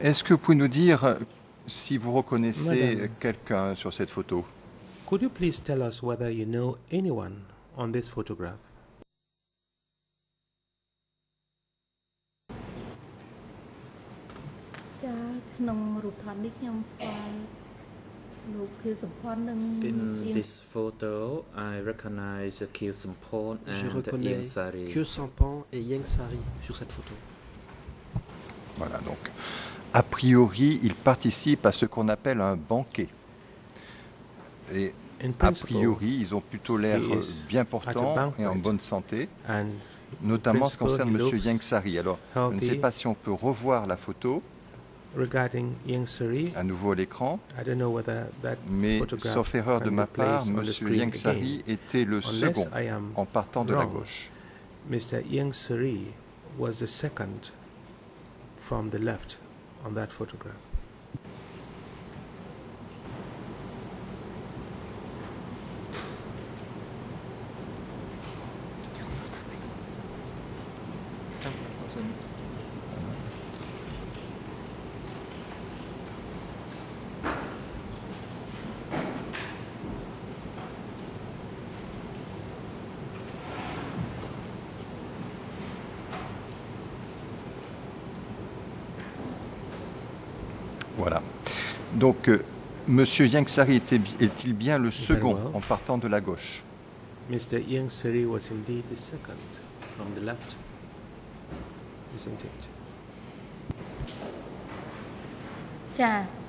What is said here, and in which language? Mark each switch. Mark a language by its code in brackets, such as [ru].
[fr] Est-ce que vous pouvez nous dire si vous reconnaissez quelqu'un sur cette photo? [en] Could you please tell us whether you know anyone on this photograph? In this photo, I recognize Khieu Samphon and Yeng Sari. [fr] Je reconnais Khieu Samphon et Yeng Sari sur cette photo. Voilà, donc, a priori, il participe à ce qu'on appelle un banquet. Et a priori, ils ont plutôt l'air bien portants et en bonne santé, notamment ce qui concerne M. Yeng Sari. Alors, je ne sais pas si on peut revoir la photo [en] regarding Yeng Sari, [fr] à nouveau à l'écran, [en] I don't know whether that [fr] mais sauf erreur de ma part, M. Yeng Sari était le second en partant de la gauche. [en] Mr. Yeng Sari was the second from the left on that photograph. [fr] Voilà. Donc, M. Yeng Sari est-il bien le second en partant de la gauche? [en] Mr. Yeng Sari was indeed the second from the left, isn't it?